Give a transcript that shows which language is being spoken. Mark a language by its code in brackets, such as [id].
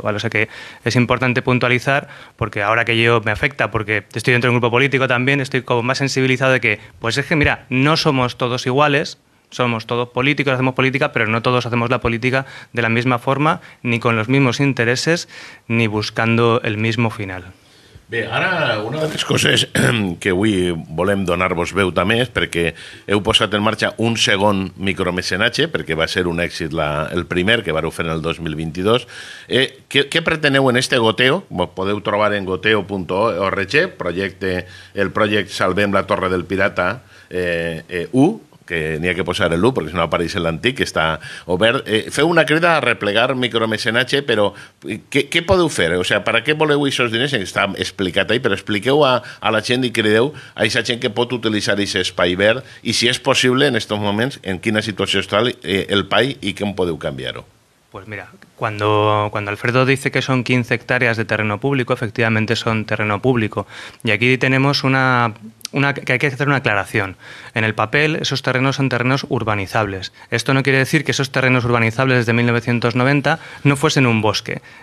[es] ¿Vale? O sea que es importante puntualizar, porque ahora que yo me afecta, porque estoy dentro de un grupo político también, estoy como más sensibilizado de que, pues es que mira, no somos todos iguales, somos todos políticos, hacemos política, pero no todos hacemos la política de la misma forma, ni con los mismos intereses, ni buscando el mismo final. [ca] Bé, ara una de les coses que avui volem donar-vos veu també és perquè heu posat en marxa un segon micromecenatge, perquè va ser un èxit el primer que vareu fer en el 2022. Què preteneu en este goteo? Podeu trobar en goteo.org el projecte Salvem la Torre del Pirata 1, que n'hi ha que posar el 1, perquè si no apareix l'antic, que està obert. Feu una crida a replegar micromecenatge, però què podeu fer? [es] O sea, [ca] per a què voleu aquests diners? Està explicat ahí, però expliqueu a la gent i crideu a aquesta gent que pot utilitzar aquest espai verd i, si és possible, en aquests moments, en quina situació està el PAI i com podeu canviar-ho. [es] Pues mira, cuando Alfredo dice que son 15 hectáreas de terreno público, efectivamente son terreno público. Y aquí tenemos una que hay que hacer una aclaración. En el papel, esos terrenos son terrenos urbanizables. Esto no quiere decir que esos terrenos urbanizables desde 1990 no fuesen un bosque.